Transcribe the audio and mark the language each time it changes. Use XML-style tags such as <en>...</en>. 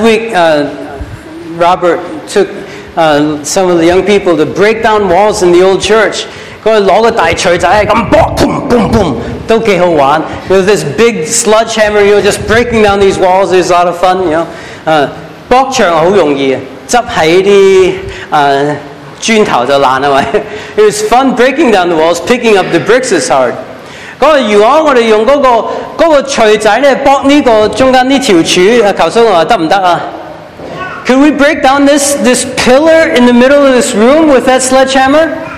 <en>week, Robert took some of the young people to break down walls in the old church.</en> <yue>佢攞個大錘仔咁搏，boom, boom, boom. 都挺好玩,</yue> <en>with this big sledgehammer, you know, just breaking down these walls, there's a lot of fun, you know.</en> <yue>搏牆很容易,撿在一些磚頭就爛了,</yue> <en>it was fun breaking down the walls, picking up the bricks is hard.</en> <yue>如果我們用那個錘仔搏中間這條柱,求叔說行不行啊?</yue> <en>Could we break down this pillar in the middle of this room with that sledgehammer?</en>